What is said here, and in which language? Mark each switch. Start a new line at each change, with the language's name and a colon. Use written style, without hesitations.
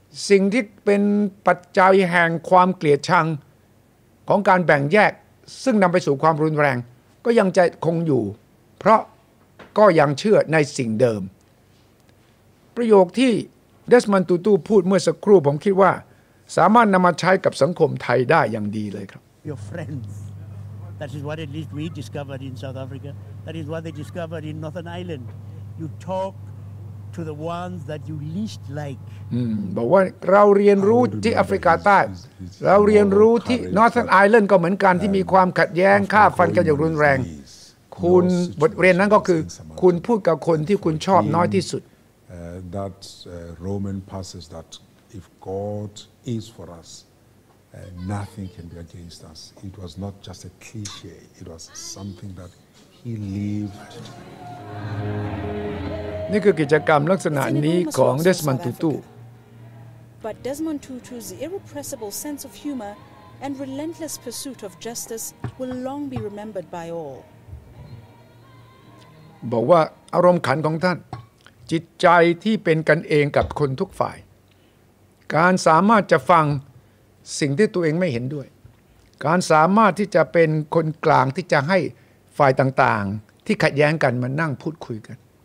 Thai: สิ่งที่เป็นปัจจัยแห่งความเกลียดชังของการแบ่งแยกซึ่งนำไปสู่ความรุนแรงก็ยังจะคงอยู่เพราะก็ยังเชื่อในสิ่งเดิมประโยคที่เดสมันตูตูพูดเมื่อสักครู่ผมคิดว่าสามารถนำมาใช้กับสังคมไทยได้อย่างดีเลยครับ
English: Your friendsThat is what at least we discovered in South Africa. That is what they discovered in Northern Ireland. You talk to the ones that you least like.
Thai: บอกว่าเราเรียนรู้ที่แอฟริกาใต้เราเรียนรู้ที่ Northern Ireland ก็เหมือนกันที่มีความขัดแย้งฆ่าฟันกันอย่างรุนแรงคุณบทเรียนนั้นก็คือคุณพูดกับคนที่คุณชอบน้อยที่สุด
English: That Roman passage that if God is for usNothing can be against us. It was not just a cliche. It was something that he lived.
Thai: นี่คือกิจกรรมลักษณะนี้ของเดสมันตูตู
English: But Desmond Tutu's irrepressible sense of humor and relentless pursuit of justice will long be remembered by all.
Thai: บอกว่าอารมณ์ขันของท่านจิตใจที่เป็นกันเองกับคนทุกฝ่ายการสามารถจะฟังสิ่งที่ตัวเองไม่เห็นด้วยการสามารถที่จะเป็นคนกลางที่จะให้ฝ่ายต่างๆที่ขัดแย้งกันมานั่งพูดคุยกัน